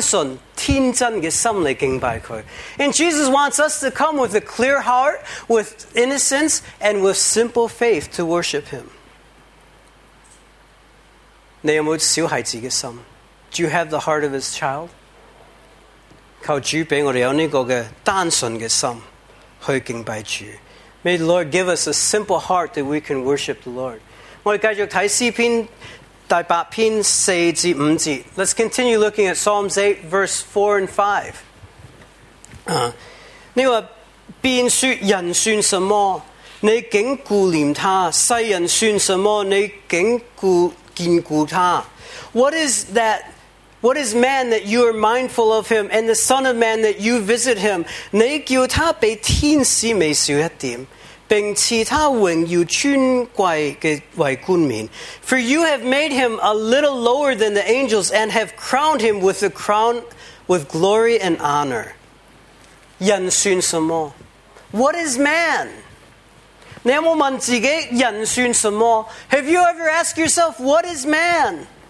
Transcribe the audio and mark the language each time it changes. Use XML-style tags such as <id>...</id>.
<zh>耶稣要我们有清心,单纯,天真的心来敬拜祂.</zh> <en>And Jesus wants us to come with a clear heart, with innocence, and with simple faith to worship him.</en> <zh>你有没有小孩子的心?</zh> <en>Do you have the heart of his child?</en> <zh>求主给我们有这个单纯的心去敬拜主.</zh> <en>May the Lord give us a simple heart that we can worship the Lord.</en> <zh>我们继续看诗篇第八篇四至五節.</zh> <en>Let's continue looking at Psalms 8, verse 4 and 5.</en> <zh>你說人算什麼?你竟顧念他? 世人算什麼?你竟顧見顧他?</zh> <en>What is man that you are mindful of him, and the son of man that you visit him?</en> <zh>你叫他比天使微小一點? 並賜他榮耀尊貴的為冠冕.</zh> <en>For you have made him a little lower than the angels and have crowned him with a crown with glory and honor.</en> <zh>人算什麼?</zh> <en>What is man?</en> <zh>你有沒有問自己人算什麼?</zh> <en>Have you ever asked yourself, what is man?</en>